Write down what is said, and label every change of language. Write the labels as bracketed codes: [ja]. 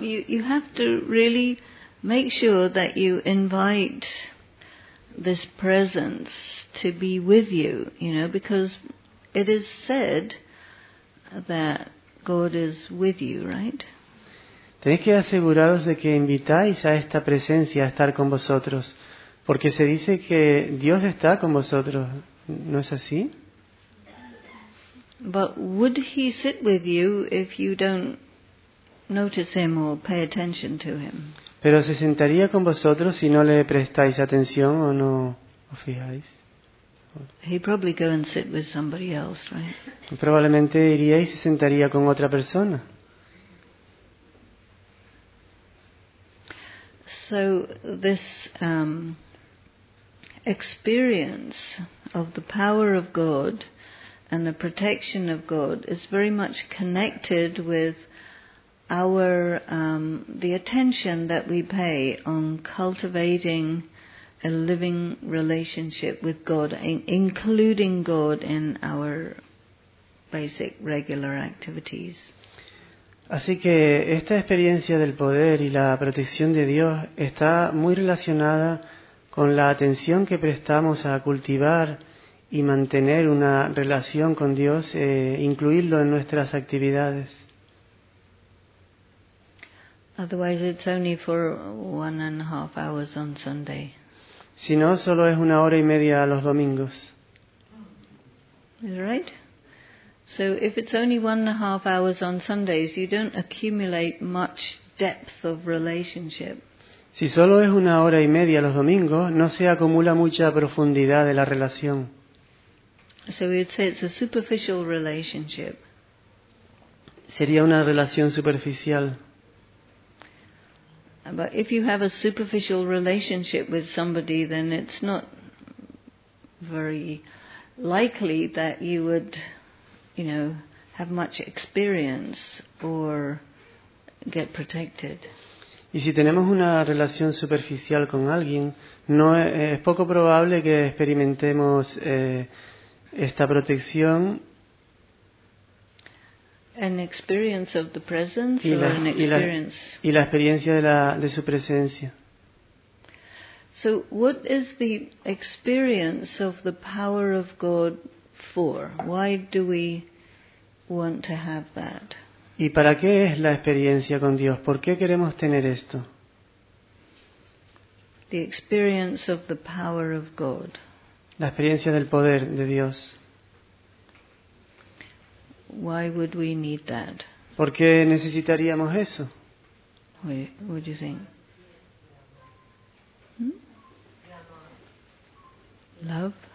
[en] You have to really make sure that you invite this presence to be with you, you know, because it is said that God is with you, right? [es] Tenéis que aseguraros de que invitáis a esta presencia a estar con vosotros, porque se dice que Dios está con vosotros, ¿no es así? [en] But would he sit with you if you don't notice him or pay attention to him? [es] ¿Pero se sentaría con vosotros si no le prestáis atención o no os fijáis? [en] He'd probably go and sit with somebody else, right? [es] Probablemente iría y se sentaría con otra persona. [en] So this experience of the power of God and the protection of God is very much connected with our the attention that we pay on cultivating a living relationship with God, including God in our basic regular activities. [es] Así que esta experiencia del poder y la protección de Dios está muy relacionada con la atención que prestamos a cultivar y mantener una relación con Dios, incluirlo en nuestras actividades. [en] Otherwise, it's only for 1.5 hours on Sunday. [es] Si no, solo es una hora y media a los domingos. [en] Is right? So if it's only 1.5 hours on Sundays, you don't accumulate much depth of relationship. [es] Si solo es una hora y media los domingos, no se acumula mucha profundidad de la relación. [en] So we'd say it's a superficial relationship. [es] Sería una relación superficial. [en] But if you have a superficial relationship with somebody, then it's not very likely that you would, you know, have much experience or get protected. [es] Y si tenemos una relación superficial con alguien, no es poco probable que experimentemos esta protección. [en] An experience of the presence, or an experience. [es] Y la experiencia de su presencia. [en] So, what is the experience of the power of God for? Why do we want to have that? [es] ¿Y para qué es la experiencia con Dios? ¿Por qué queremos tener esto? [en] The experience of the power of God. [es] La experiencia del poder de Dios. [en] Why would we need that? [es] ¿Por qué necesitaríamos eso? [en] What do you think? Love?